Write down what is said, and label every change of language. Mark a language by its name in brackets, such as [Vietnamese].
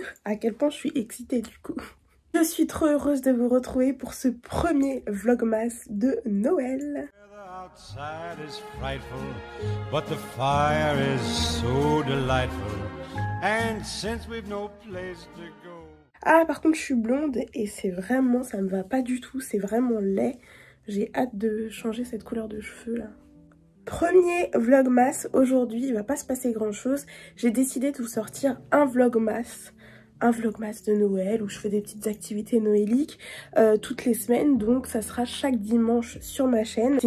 [French] À quel point je suis excitée du coup. Je suis trop heureuse de vous retrouver pour ce premier vlogmas de Noël. [English] Outside is frightful, but the fire is so delightful, and since we've no place to go. [French] Ah, par contre, je suis blonde et c'est vraiment, ça me va pas du tout, c'est vraiment laid. J'ai hâte de changer cette couleur de cheveux là. Premier vlogmas aujourd'hui, il va pas se passer grand chose. J'ai décidé de vous sortir un vlogmas de Noël où je fais des petites activités noéliques toutes les semaines, donc ça sera chaque dimanche sur ma chaîne.